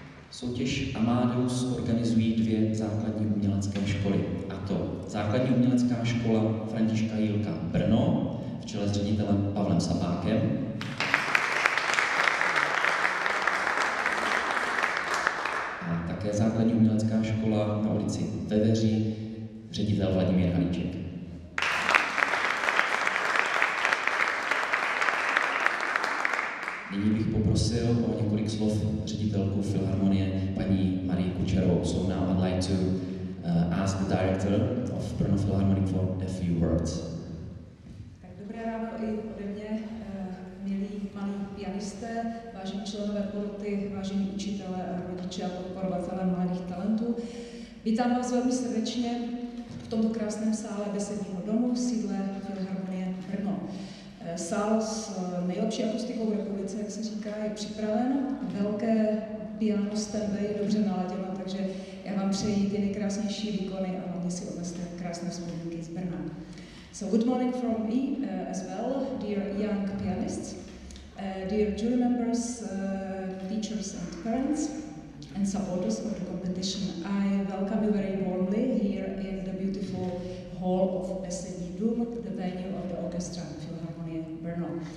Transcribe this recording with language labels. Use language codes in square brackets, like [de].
[cs] Soutěž Amadeus organizují dvě základní umělecké školy, a to Základní umělecká škola Františka Jílka Brno v čele s ředitelem Pavlem Sabákem a také Základní umělecká škola na ulici Veveří, ředitel Vladimír Haníček. Nyní bych poprosil o několik slov ředitelku Filharmonie, paní Marii Kučerovou. [en] So now I'd like to ask the director of Brno Philharmonic for a few words. [cs] Tak dobré ráno i ode mě, milí malí pianisté, vážení členové poroty, vážení učitelé a rodiče a podporovatelé mladých talentů. Vítám vás velmi srdečně v tomto krásném sále besedního domu v sídle Filharmonie Brno. Sál s nejlepší akustikou v republice, jak se říká, je připraven. Velké piano Stanley dobře naladěno, takže já vám přeji ty nejkrásnější výkony a hlavně si odneste krásné vzpomínky z Brna. [en] So good morning from me as well, dear young pianists, dear jury members, teachers and parents, and supporters of the competition. I welcome you very warmly here in the beautiful hall of Besední Dům, the venue of the Orchestra Philharmonie Brno.